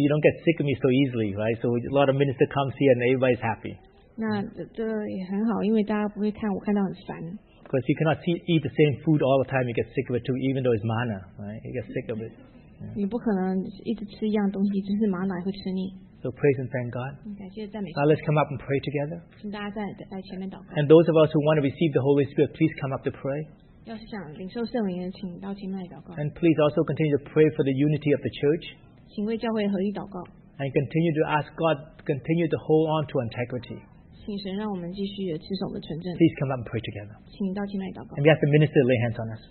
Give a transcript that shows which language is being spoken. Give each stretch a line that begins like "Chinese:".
English: You don't get sick of me so easily, right? So a lot of ministers come here and everybody's happy.
Chinese: 那这也很好，因为大家不会看我看到很烦.
English: Because you cannot eat the same food all the time, you get sick of it too. Even though it's manna, right? You get sick of it. Yeah.
Chinese: 你不可能一直吃一样东西，就是manna会吃腻.
English: So praise and thank God. Now let's come up and pray together.
Chinese: 请大家在前面祷告.
English: And those of us who want to receive the Holy Spirit, please come up to pray.
Chinese: 要是想领受圣灵的，请到前面来祷告.
English: And please also continue to pray for the unity of the church.
Chinese: 请为教会合一祷告.
English: And continue to ask God, continue to hold on to integrity.
Chinese: 请神让我们继续持守的纯正.
English: Please come up and pray together.
Chinese: 请到前面来祷告.
English: And we ask the minister to lay hands on us.